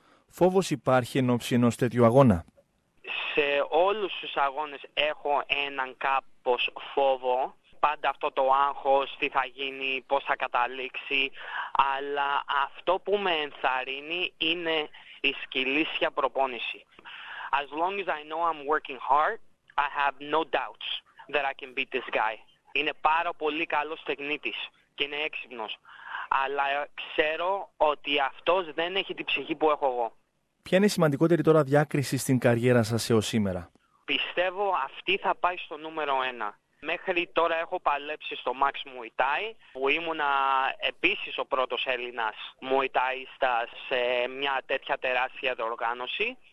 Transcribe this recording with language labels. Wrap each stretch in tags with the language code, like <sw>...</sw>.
<el>Φόβος υπάρχει εν ώψη ενός τέτοιου αγώνα? Σε όλους τους αγώνες έχω έναν κάπως φόβο. Πάντα αυτό το άγχος, τι θα γίνει, πώς θα καταλήξει. Αλλά αυτό που με ενθαρρύνει είναι η σκυλίσια προπόνηση.</el> <en>As long as I know I'm working hard, I have no doubts that I can beat this guy.</en> <el>Είναι πάρα πολύ καλός τεχνίτης και είναι έξυπνος. Αλλά ξέρω ότι αυτός δεν έχει την ψυχή που έχω εγώ. Ποια είναι η σημαντικότερη τώρα διάκριση στην καριέρα σας έως σήμερα? Πιστεύω αυτή θα πάει στο νούμερο 1. Μέχρι τώρα έχω παλέψει στο Max Muay Thai, που ήμουνα επίσης ο πρώτος Έλληνας Muay Thai σε μια τέτοια τεράστια διοργάνωση.</el>